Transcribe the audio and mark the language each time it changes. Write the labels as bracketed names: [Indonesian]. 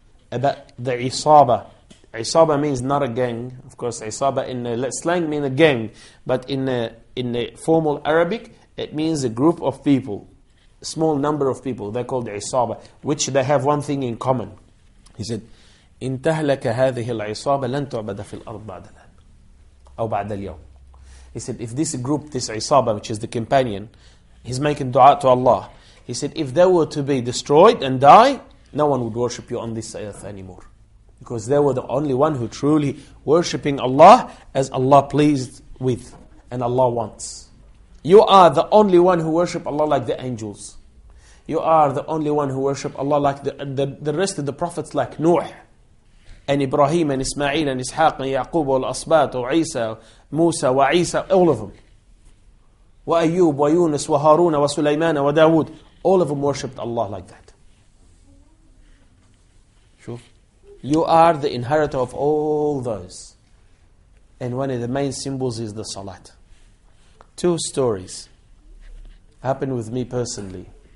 [English] About the Isaba. Isaba means not a gang. Of course, Isaba in the slang means a gang. But in the formal Arabic, it means a group of people. A small number of people. They're called Isaba. Which they have one thing in common. [Arabic] He said, إِن تَهْلَكَ هَذِهِ الْعِصَابَ لَن تُعْبَدَ فِي الْأَرْضِ بَعْدَ الْآنِ أو بَعْدَ الْيَوْمِ. [English] He said, if this group, this Isaba, which is the companion, he's making dua to Allah. He said, if they were to be destroyed and die, no one would worship you on this earth anymore. Because they were the only one who truly worshipping Allah as Allah pleased with and Allah wants. You are the only one who worship Allah like the angels. You are the only one who worship Allah like the rest of the prophets, like Nuh and Ibrahim and Ismail and Ishaq and Yaqub and Asbat and Isa, Musa and Isa, all of them. [Arabic] وأيوب ويونس وهارون وسليمان وداود. [English] All of them worshipped Allah like that. Sure. You are the inheritor of all those. And one of the main symbols is the salat. Two stories happened with me personally.